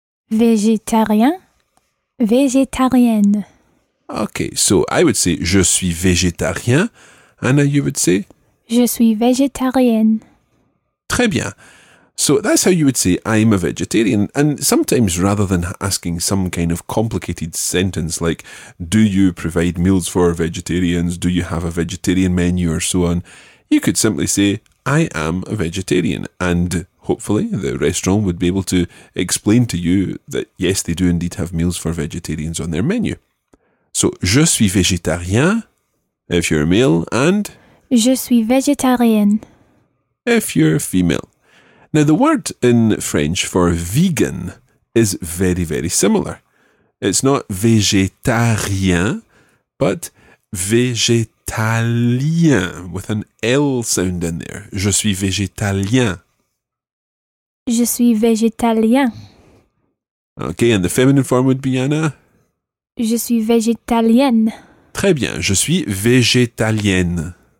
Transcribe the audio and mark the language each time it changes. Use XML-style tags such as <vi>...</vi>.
<fr>Végétarien, végétarienne.</fr> <en>Okay, so I would say</en> <fr>je suis végétarien.</fr> <en>Anna, you would say?</en> <fr>Je suis végétarienne. Très bien.</fr> <en>So that's how you would say I'm a vegetarian. And sometimes rather than asking some kind of complicated sentence like do you provide meals for vegetarians? Do you have a vegetarian menu or so on? You could simply say I am a vegetarian, and hopefully the restaurant would be able to explain to you that yes, they do indeed have meals for vegetarians on their menu. So,</en> <fr>je suis végétarien,</fr> <en>if you're a male, and</en> <fr>je suis végétarienne,</fr> <en>if you're female. Now, the word in French for vegan is very, very similar. It's not végétarien, but végétalien, with an L sound in there.</en> <fr>Je suis végétalien. Je suis végétalien.</fr> <en>Okay, and the feminine form would be Anna?</en> <fr>Je suis végétalienne. Très bien, je suis végétalienne.</fr>